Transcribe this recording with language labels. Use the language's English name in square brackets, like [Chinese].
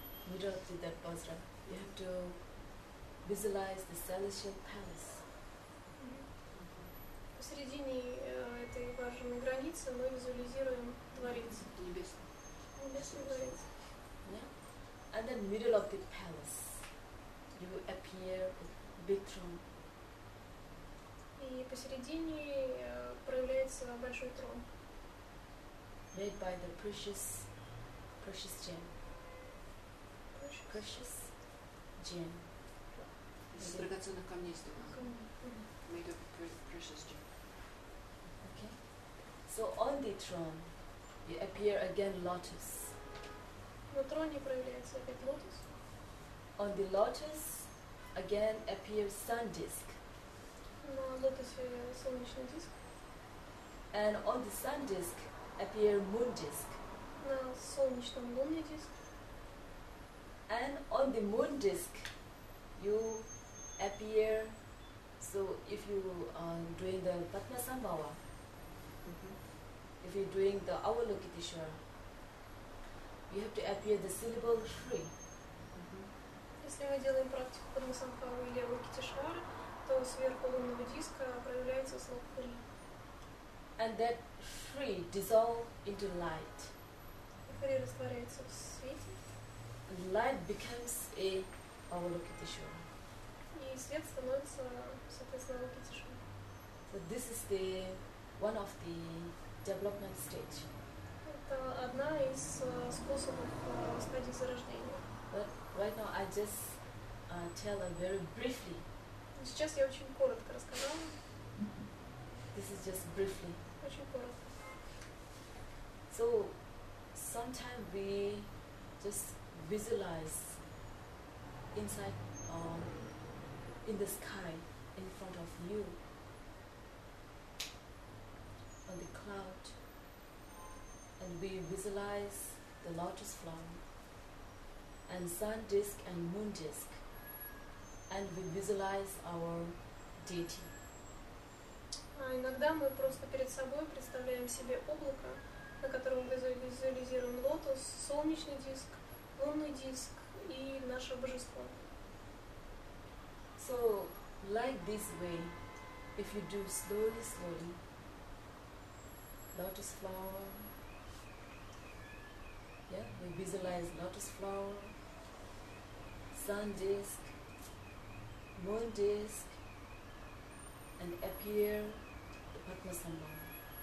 [English] Middle of the, that Vajra, you have to visualize the celestial palace. [Russian] Посередине этой важной границы мы визуализируем дворец. Небесный дворец. Yeah. [English] And then middle of the palace, you appear with big throne. [Russian] И посередине проявляется большой трон. [English] Made by the precious gem. Precious gem. [Russian] Из драгоценных камней сделано. Mm-hmm. [English] Made of precious gem. Okay. So on the throne, you appear again lotus. [Russian] На троне проявляется опять лотос. [English] On the lotus, again appears sun disk. [Russian] На лотосе солнечный диск. [English] And on the sun disk, appear moon disk. [Russian] На солнечном лунный диск. [English] And on the moon disk, you appear. So if you doing the Padmasambhava, mm-hmm. if you're doing the Avalokiteshvara, you have to appear the syllable Shri. Mm-hmm. [Russian] Если мы делаем практику Падмасамбхавы или Авалокитешвары, то сверху лунного диска проявляется слог Шри. [English] And that Shri dissolve into light. [Russian] Шри растворяется в свете. [English] And light becomes a Avalokiteshvara. [Russian] И свет становится, соответственно, Авалокитешвара. [English] So this is the one of the development stage. [Russian] Это одна из способов стадии зарождения. [English] But right now I just tell very briefly. [Russian] Сейчас я очень коротко рассказала. [English] This is just briefly. [Russian] Очень коротко. [English] So sometimes we just visualize inside in the sky, in front of you, on the cloud, and we visualize the lotus flower, and sun disk and moon disk, and we visualize our deity. [Russian] А иногда мы просто перед собой представляем себе облако, на котором визуализируем лотос, солнечный диск, лунный диск и наше божество. [English] So, like this way, if you do slowly, slowly, lotus flower, yeah, we visualize lotus flower, sun disk, moon disk, and appear the Padmasambhava.